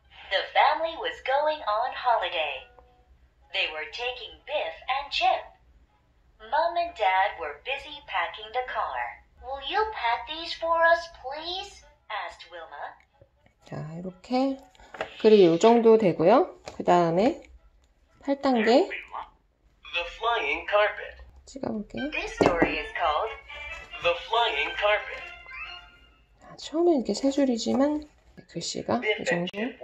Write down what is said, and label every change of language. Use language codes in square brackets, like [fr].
[en] The family was going on holiday. They were taking Biff and Chip. Mom and Dad were busy packing the car. Will you pack these for us, please? asked Wilma. [ko] 자, 이렇게 글이 이 정도 되고요. 그 다음에 8단계 [en] The flying carpet. [ko] 찍어볼게요. [en] This story is called The flying carpet. [ko] 자, 처음에 이렇게 세 줄이지만 글씨가 이 정도.